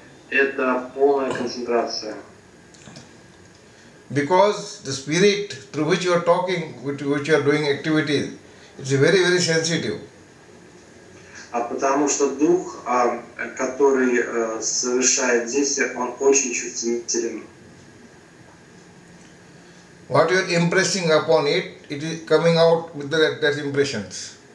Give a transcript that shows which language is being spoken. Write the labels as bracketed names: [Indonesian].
[Russian] Это полная концентрация. [English] Because the spirit through which you are talking, which you are doing activities, it's very, very sensitive. [Russian] А потому что дух, который совершает действие, он очень чувствителен. [English] What you are impressing upon it, it is coming out with that impressions.